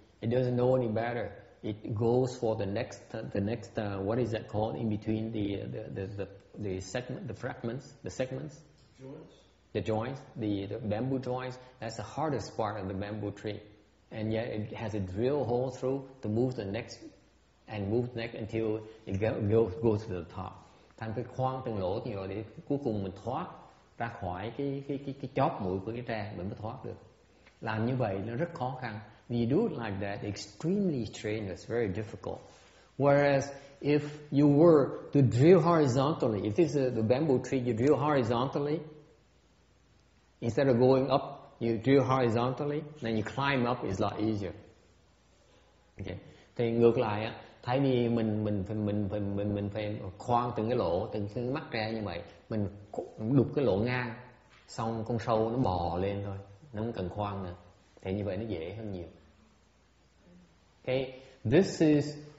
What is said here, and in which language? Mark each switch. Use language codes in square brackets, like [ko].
[en] It doesn't know any better. It goes for the next what is that called in between the segments. The bamboo joints, that's the hardest part of the bamboo tree. And yet it has a drill hole through to move the next and move the next until it goes to the top. [vi] Thành cái khoang từng lỗ như vậy để cuối cùng mình thoát ra khỏi cái chóp mũi của cái tre mình mới thoát được. Làm như vậy nó rất khó khăn. [en] When you do it like that, extremely strenuous, very difficult. Whereas if you were to drill horizontally, if this is the bamboo tree, you drill horizontally, instead of going up, you drill horizontally, then you climb up is a lot easier. Okay. [vi] Thì ngược lại á, thay vì mình phải khoan từng cái lỗ, từng mắt ra như vậy, mình đục cái lỗ ngang, xong con sâu nó bò lên thôi, nó không cần khoan nữa. Thì như vậy nó dễ hơn nhiều. Okay. [en] This is